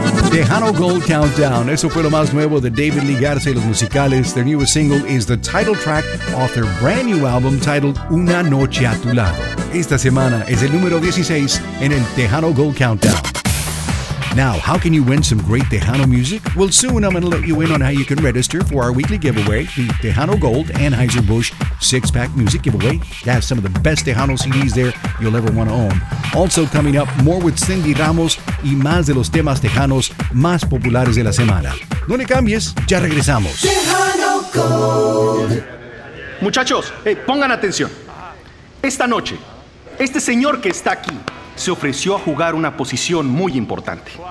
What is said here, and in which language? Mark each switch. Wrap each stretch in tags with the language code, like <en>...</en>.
<es>Tejano Gold Countdown, eso fue lo más nuevo de David Lee Garza y los musicales.</es> <en>Their newest single is the title track of their brand new album titled Una Noche a Tu Lado.</en> <es>Esta semana es el número 16 en el Tejano Gold Countdown.</es> <en>Now, how can you win some great Tejano music? Well, soon I'm going to let you in on how you can register for our weekly giveaway, the Tejano Gold Anheuser-Busch 6-Pack Music Giveaway. That has some of the best Tejano CDs there you'll ever want to own. Also coming up, more with Cindy Ramos y más de los temas Tejanos más populares de la semana.</en> <es>No le cambies, ya regresamos. Tejano Gold. Muchachos, hey, pongan atención. Esta noche, este señor que está aquí se ofreció a jugar una posición muy importante.</es>